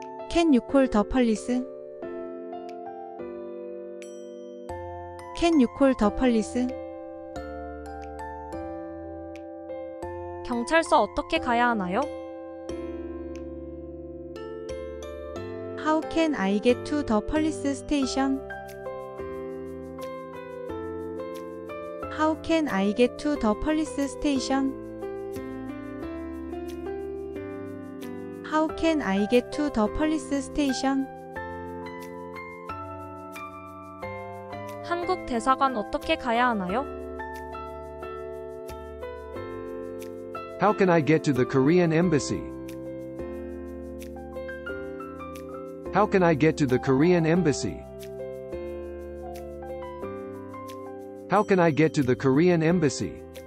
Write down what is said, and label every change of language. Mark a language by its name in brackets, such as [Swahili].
[English] Can you call the police? Can you call the police? [Korean] 경찰서 어떻게 가야 하나요? [English] How can I get to the police station? How can I get to the police station? How can I get to the police station? [Korean] 한국 대사관 어떻게 가야 하나요? [English] How can I get to the Korean embassy? How can I get to the Korean embassy? How can I get to the Korean embassy?